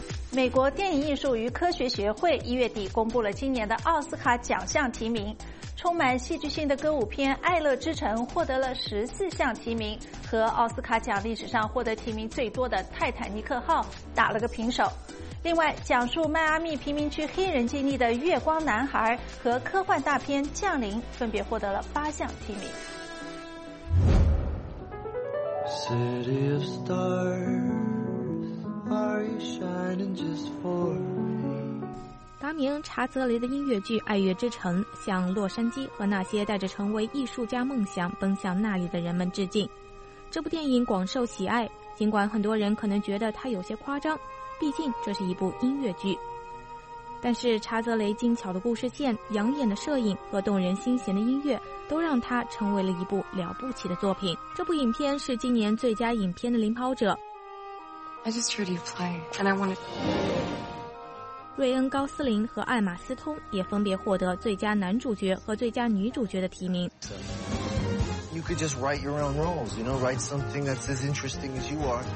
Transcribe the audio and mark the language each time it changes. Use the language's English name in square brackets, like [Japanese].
[Chinese] 美国电影艺术与科学学会一月底公布了今年的奥斯卡奖项提名，充满戏剧性的歌舞片《爱乐之城》获得了14项提名，和奥斯卡奖历史上获得提名最多的《泰坦尼克号》打了个平手。另外，讲述迈阿密贫民区黑人经历的《月光男孩》和科幻大片《降临》分别获得了8项提名。 [English] City of stars, are you shining just for me? [Chinese] 达明·查泽雷的音乐剧《爱乐之城》向洛杉矶和那些带着成为艺术家梦想奔向那里的人们致敬。这部电影广受喜爱，尽管很多人可能觉得它有些夸张，毕竟这是一部音乐剧。但是查泽雷精巧的故事线、养眼的摄影和动人心弦的音乐都让它成为了一部了不起的作品。这部影片是今年最佳影片的领跑者。 [English] I just heard you play, and I wanted... [Chinese] 瑞恩·高斯林和艾玛·斯通也分别获得最佳男主角和最佳女主角的提名。 [English] You could just write your own roles, you know, write something that's as interesting as you are.